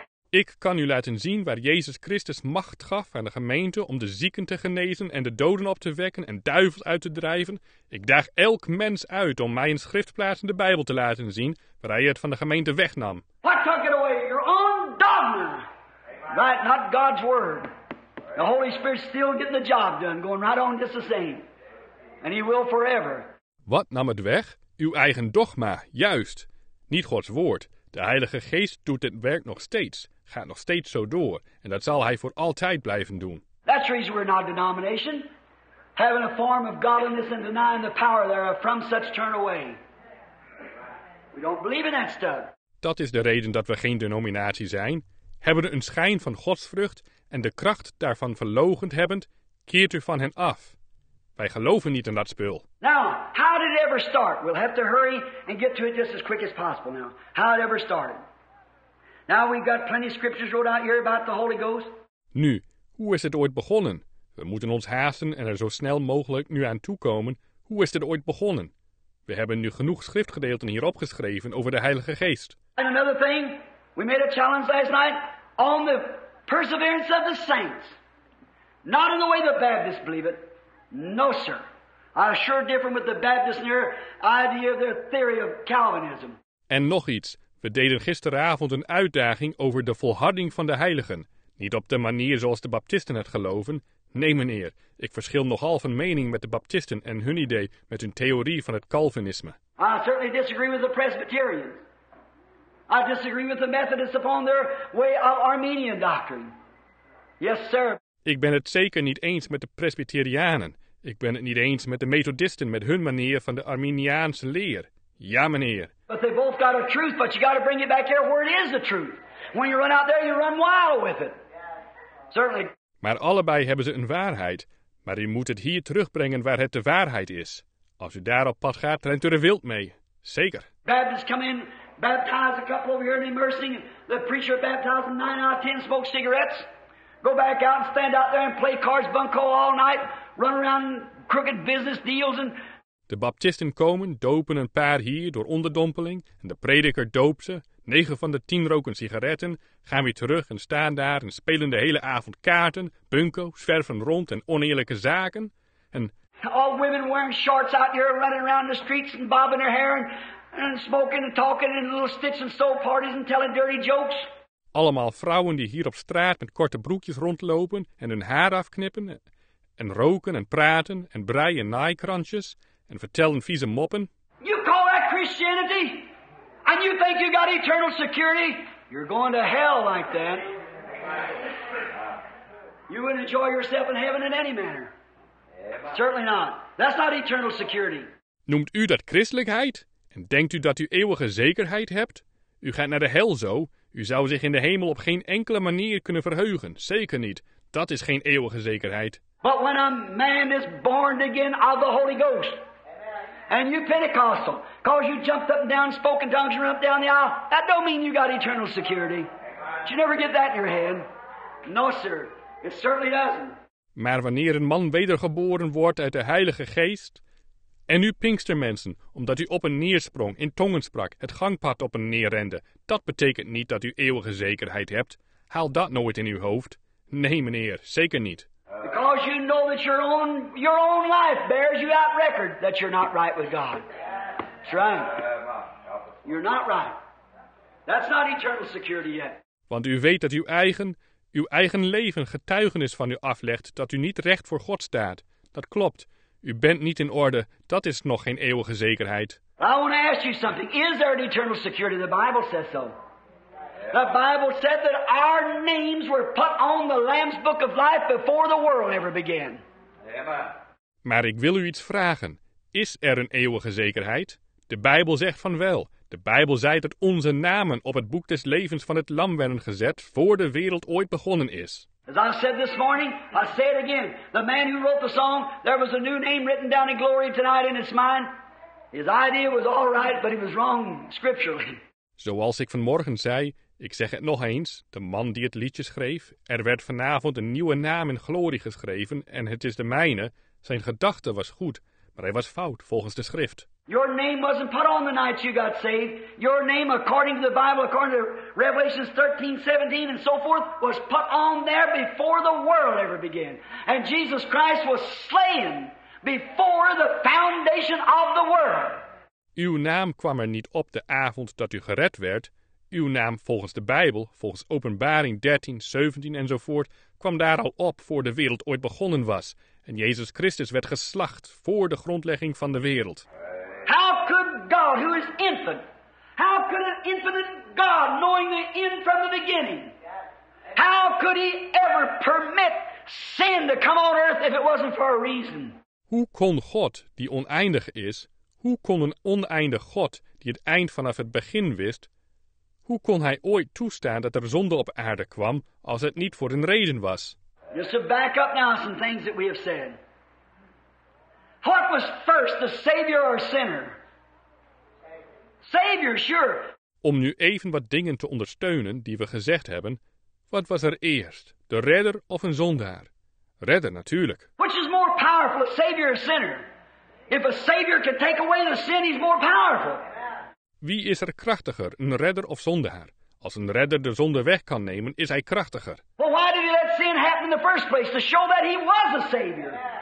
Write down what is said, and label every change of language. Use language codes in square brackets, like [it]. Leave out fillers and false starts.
[nl] Ik kan u laten zien waar Jezus Christus macht gaf aan de gemeente om de zieken te genezen en de doden op te wekken en duivels uit te drijven. Ik daag elk mens uit om mij een schriftplaats in de Bijbel te laten zien waar hij het van de gemeente wegnam. [en] What took it away? Your own dogma. Right, not God's word. The Holy Spirit's still getting the job done, going right on just the same. And he will forever. [nl] Wat nam het weg? Uw eigen dogma, juist. Niet Gods woord. De Heilige Geest doet dit werk nog steeds, gaat nog steeds zo door, en dat zal hij voor altijd blijven doen. [en] That's the reason we're not a denomination. Having a form of godliness and denying the power thereof from such turn away. We don't believe in that stuff. [nl] Dat is de reden dat we geen denominatie zijn. Hebben een schijn van godsvrucht en de kracht daarvan verloochend hebbend, keert u van hen af. Wij geloven niet in dat spul. [en] Now, how did it ever start? We'll have to hurry and get to it just as quick as possible now. How it ever started? Now we've got plenty of scriptures wrote out here about the Holy Ghost. [nl] Nu, hoe is het ooit begonnen? We moeten ons haasten en er zo snel mogelijk nu aan toekomen. Hoe is het ooit begonnen? We hebben nu genoeg schriftgedeelten hier opgeschreven over de Heilige Geest. [en] And another thing, we made a challenge last night on the perseverance of the saints. Not in the way the Baptists believe it. No, sir. I sure differ with the Baptist near idea of their theory of Calvinism. [nl] En nog iets. We deden gisteravond een uitdaging over de volharding van de heiligen. Niet op de manier zoals de Baptisten het geloven. Nee, meneer. Ik verschil nogal van mening met de Baptisten en hun idee met hun theorie van het Calvinisme. [en] I certainly disagree with the Presbyterians. I disagree with the Methodists upon their way of Arminian doctrine. Yes, sir. [nl] Ik ben het zeker niet eens met de Presbyterianen. Ik ben het niet eens met de Methodisten met hun manier van de Arminiaanse leer. Ja, meneer. [en] But they both got a truth, but you got to bring it back here where it is the truth. When you run out there, you run wild with it. Certainly. [nl] Maar allebei hebben ze een waarheid. Maar u moet het hier terugbrengen waar het de waarheid is. Als u daar op pad gaat, rent u er wild mee. Zeker. [en] Baptists come in, baptize a couple over here in immersing. The preacher baptized 9 out of 10 smoke cigarettes. Go back out and stand out there and play cards bunco all night. Run around crooked business deals and... [nl] De baptisten komen, dopen een paar hier door onderdompeling. En de prediker doopt ze. 9 van de 10 roken sigaretten. Gaan weer terug en staan daar en spelen de hele avond kaarten, bunco, zwerven rond en oneerlijke zaken. En... [en] All women wearing shorts out here running around the streets and bobbing their hair and smoking and talking in little sticks and soul parties and telling dirty jokes. [nl] Allemaal vrouwen die hier op straat met korte broekjes rondlopen en hun haar afknippen en roken en praten en breien naaikrantjes en vertellen vieze moppen. [en] You call that Christianity? And you think you got eternal security? You're going to hell like that. You wouldn't enjoy yourself in heaven in any manner. Certainly not. That's not eternal security. [nl] Noemt u dat christelijkheid? En denkt u dat u eeuwige zekerheid hebt? U gaat naar de hel zo. U zou zich in de hemel op geen enkele manier kunnen verheugen. Zeker niet. Dat is geen eeuwige zekerheid. [en] But when a man is born again of the Holy Ghost. And you Pentecostal. Because you jumped up and down, spoke in tongues and run up down the aisle. That don't mean you got eternal security. But you never get that in your head. No sir. It certainly doesn't. [nl] Maar wanneer een man wedergeboren wordt uit de Heilige Geest... En u Pinkstermensen, omdat u op en neer sprong, in tongen sprak, het gangpad op en neer rende... Dat betekent niet dat u eeuwige zekerheid hebt. Haal dat nooit in uw hoofd. Nee, meneer, zeker niet. [en] Because you know that your own life bears you out record that you're not right with God. That's right. You're not right. That's not eternal security yet. [nl] Want u weet dat uw eigen leven getuigenis van u aflegt dat u niet recht voor God staat. Dat klopt. U bent niet in orde. Dat is nog geen eeuwige zekerheid. [en] I want to ask you something. Is there an eternal security? The Bible says so. The Bible said that our names were put on the Lamb's Book of Life before the world ever began. [nl] Maar ik wil u iets vragen. Is er een eeuwige zekerheid? De Bijbel zegt van wel. De Bijbel zei dat onze namen op het boek des levens van het Lam werden gezet voor de wereld ooit begonnen is. [en] As I said this morning, I say it again. The man who wrote the song, there was a new name written down in glory tonight and it's mine. His idea was all right, but he was wrong scripturally. [nl] Zoals ik vanmorgen zei, ik zeg het nog eens, de man die het liedje schreef, er werd vanavond een nieuwe naam in glorie geschreven en het is de mijne. Zijn gedachte was goed, maar hij was fout volgens de schrift. [en] Your name wasn't put on the night you got saved. Your name, according to the Bible, according to Revelations 13:17 and so forth, was put on there before the world ever began. And Jesus Christ was slain before the foundation of the world. [nl] Uw naam kwam er niet op de avond dat u gered werd. Uw naam volgens de Bijbel, volgens Openbaring 13:17 enzovoort, kwam daar al op voor de wereld ooit begonnen was. En Jezus Christus werd geslacht voor de grondlegging van de wereld. [en] How could God, who is infant, how could an infinite God, knowing the end from the beginning, how could he ever permit sin to come on earth if it wasn't for a reason? [nl] Hoe kon God, die oneindig is, hoe kon een oneindig God, die het eind vanaf het begin wist, hoe kon hij ooit toestaan dat er zonde op aarde kwam, als het niet voor een reden was? [en] Just to back up now some things that we have said. What was first, the Savior or sinner? Savior, sure. [nl] Om nu even wat dingen te ondersteunen die we gezegd hebben, wat was er eerst, de redder of een zondaar? Redder, natuurlijk. [en] Which is more powerful, a Savior or sinner? If a Savior can take away the sin, he's more powerful. [nl] Wie is er krachtiger, een redder of zondaar? Als een redder de zonde weg kan nemen, is hij krachtiger. [en] Well, why did he let sin happen in the first place? To show that he was a Savior.